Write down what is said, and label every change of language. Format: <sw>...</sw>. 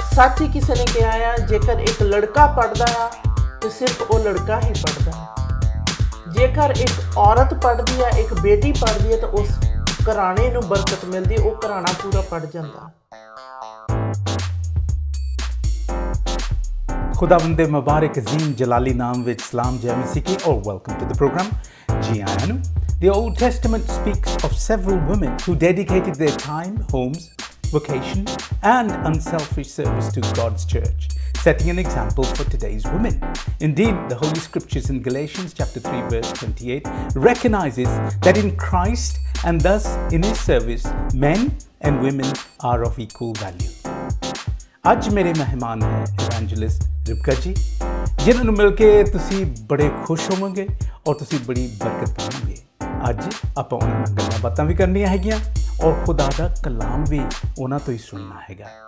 <pa>ਸੱਚ ਹੀ ਕਿਸੇ ਨੇ ਕਿਹਾ ਆ ਜੇਕਰ ਇੱਕ ਲੜਕਾ ਪੜ੍ਹਦਾ ਆ ਤਾਂ ਸਿਰਫ ਉਹ ਲੜਕਾ ਹੀ ਪੜ੍ਹਦਾ, ਜੇਕਰ ਇੱਕ ਔਰਤ ਪੜ੍ਹਦੀ ਆ ਇੱਕ ਬੇਟੀ ਪੜ੍ਹਦੀ ਆ ਤਾਂ ਉਸ ਘਰਾਣੇ ਨੂੰ ਬਰਕਤ ਮਿਲਦੀ, ਉਹ ਘਰਾਣਾ ਪੂਰਾ ਪੜ੍ਹ ਜਾਂਦਾ। ਖੁਦਾਵੰਦ ਦੇ ਮੁਬਾਰਕ ਅਜ਼ੀਮ ਜਲਾਲੀ ਨਾਮ ਵਿੱਚ ਸਲਾਮ ਜੈ ਮਸੀਹੀ ਔਰ</pa> <en>welcome to the programme</en> <pa>ਜੀ ਆਇਆਂ ਨੂੰ।</pa> <en>The Old Testament speaks of several women who dedicated their time, homes, vocation, and unselfish service to God's church, setting an example for today's women. Indeed, the Holy Scriptures in Galatians chapter 3 verse 28 recognizes that in Christ and thus in His service, men and women are of equal value.</en> <pa>ਅੱਜ ਮੇਰੇ ਮਹਿਮਾਨ ਹੈ evangelist ਰਿਬਕਾ ਜੀ, ਜਿਨ੍ਹਾਂ ਨੂੰ ਮਿਲ ਕੇ ਤੁਸੀਂ ਬੜੇ ਖੁਸ਼ ਹੋਵੋਗੇ ਔਰ ਤੁਸੀਂ ਬੜੀ ਬਰਕਤ ਪਾਓਗੇ। ਅੱਜ ਆਪਾਂ ਉਹਨਾਂ ਨਾਲ ਗੱਲਾਂ ਬਾਤਾਂ ਵੀ ਕਰਨੀਆਂ ਹੈਗੀਆਂ ਔਰ ਖੁਦਾ ਦਾ ਕਲਾਮ ਵੀ ਉਹਨਾਂ ਤੋਂ ਹੀ ਸੁਣਨਾ ਹੈਗਾ।</pa>